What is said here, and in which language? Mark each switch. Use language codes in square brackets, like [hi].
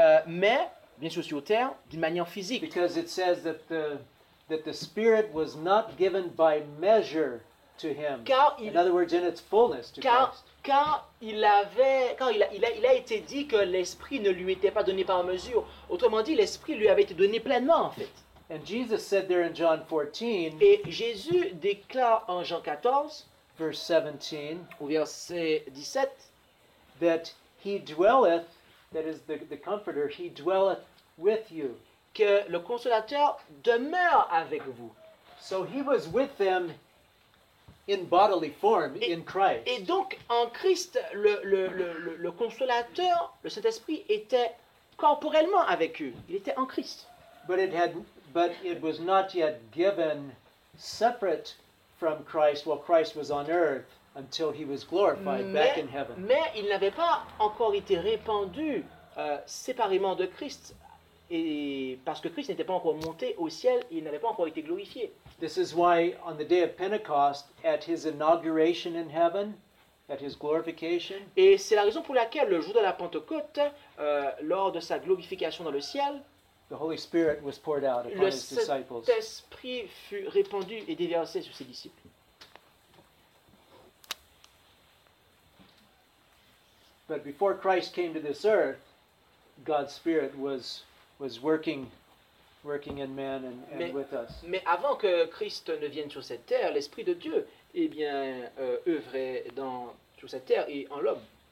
[fr] Mais, bien sûr, sur terre, d'une manière physique. [en] Because it says that the Spirit was not given by measure to him. In other words, in its fullness to Christ. [fr] Quand il a été dit que l'Esprit ne lui était pas donné par mesure. Autrement dit, l'Esprit lui avait été donné pleinement, en fait. [en] And Jesus said there in John 14, [fr] et Jésus déclare en Jean 14, [en] verse 17, [fr] au verset 17, [en] that he dwelleth, that is the comforter, he dwelleth with you. [fr] Que le Consolateur demeure avec vous. [en] So he was with them in bodily form, in Christ. [fr] Et donc, en Christ, le Consolateur, le Saint-Esprit, était corporellement avec eux. Il était en Christ. [en] But it was not yet given separate from Christ while Christ was on earth until he was glorified back in heaven. [fr] Mais il n'avait pas encore été répandu séparément de Christ. Et parce que Christ n'était pas encore monté au ciel, il n'avait pas encore été glorifié. [en] This is why on the day of Pentecost, at his inauguration in heaven, at his glorification. [fr] Et c'est la raison pour laquelle le jour de la Pentecôte, lors de sa glorification dans le ciel, [en] the Holy Spirit was poured out upon his disciples. [fr] Le Saint-Esprit fut répandu et déversé sur ses disciples. [en] But before Christ came to this earth, God's Spirit was working in man and with us. [fr] Mais avant que Christ ne vienne sur cette terre, l'Esprit de Dieu, eh bien, œuvrait sur cette terre et en l'homme.